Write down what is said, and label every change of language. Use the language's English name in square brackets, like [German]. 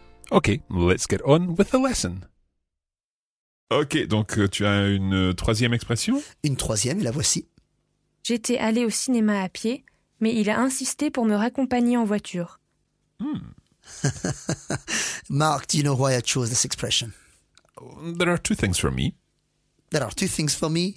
[English] Okay, let's get on with the lesson. [French] Okay, donc tu as une troisième expression? Une troisième, la voici. J'étais allé au cinéma à pied, mais il a insisté pour me raccompagner en voiture. [English] Mark, do you know why I chose this expression? There are two things for me. There are two things for me.